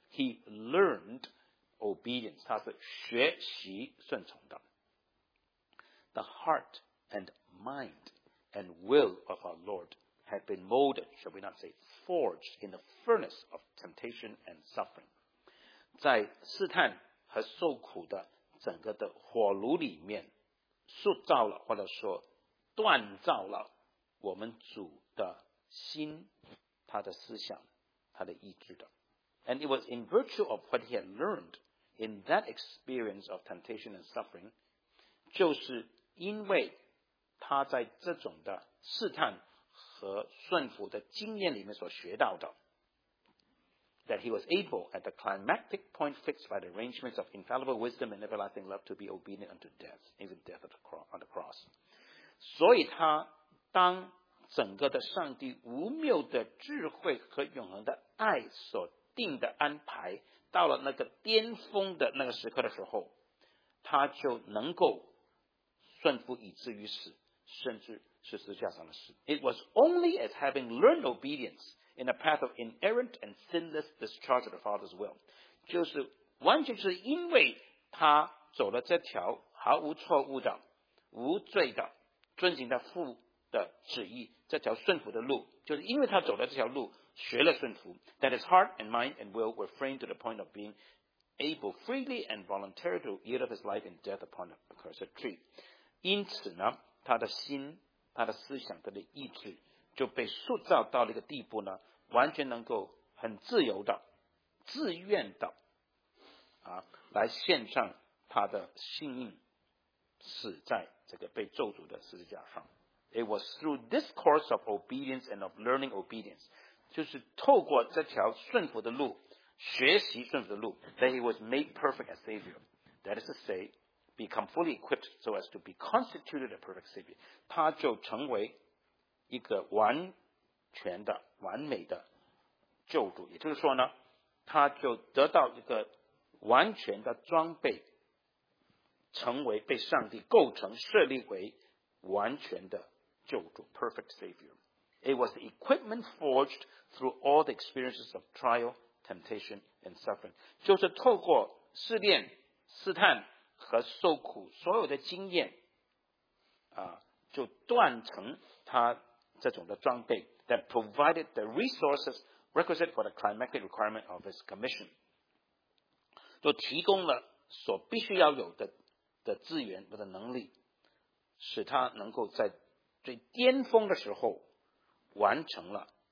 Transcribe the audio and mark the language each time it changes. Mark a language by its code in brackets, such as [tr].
[en] He learned obedience， [zh] 他是学习顺从的。 [en] The heart and mind。 And will of our Lord had been molded, shall we not say, forged in the furnace of temptation and suffering. [zh] 在试探和受苦的整个的火炉里面塑造了或者说锻造了我们主的心他的思想他的意志的。 [en] And it was in virtue of what he had learned in that experience of temptation and suffering, [zh] 就是因为他在这种的试探和顺服的经验里面所学到的 [en] that he was able at the climactic point fixed by the arrangements of infallible wisdom and everlasting love to be obedient unto death, even death on the cross. [zh] 所以他当整个的上帝无谬的智慧和永恒的爱所定的安排到了那个巅峰的那个时刻的时候他就能够顺服以至于死甚至是十字架上的死。 [en] It was only as having learned obedience in a path of inerrant and sinless discharge of the Father's will. [zh] 就是完全是因为他走了这条毫无错误的无罪的遵循他父的旨意这条顺服的路就是因为他走了这条路学了顺服 [en] that his heart and mind and will were framed to the point of being able freely and voluntarily to yield up his life and death upon the accursed tree. [zh] 因此呢他的心他的思想他的意志就被塑造到了一个地步呢完全能够很自由的自愿的来献上他的性命死在这个被咒诅的十字架上。 [en] It was through this course of obedience and of learning obedience, [zh] 就是透过这条顺服的路学习顺服的路 [en] that he was made perfect as Savior. That is to say,become fully equipped so as to be constituted a perfect savior. [zh] 他就成为一个完全的完美的救主。也就是说呢他就得到一个完全的装备成为被上帝构成设立为完全的救主 [en] perfect savior. It was the equipment forged through all the experiences of trial, temptation, and suffering. [zh] 就是透过试炼试探和受苦所有的经验就锻成他这种的装备 [en] that provided the resources requisite for the climactic requirement of his commission [zh] 就提供了所必须要有 的资源或者能力使他能够在最巅峰的时候完成了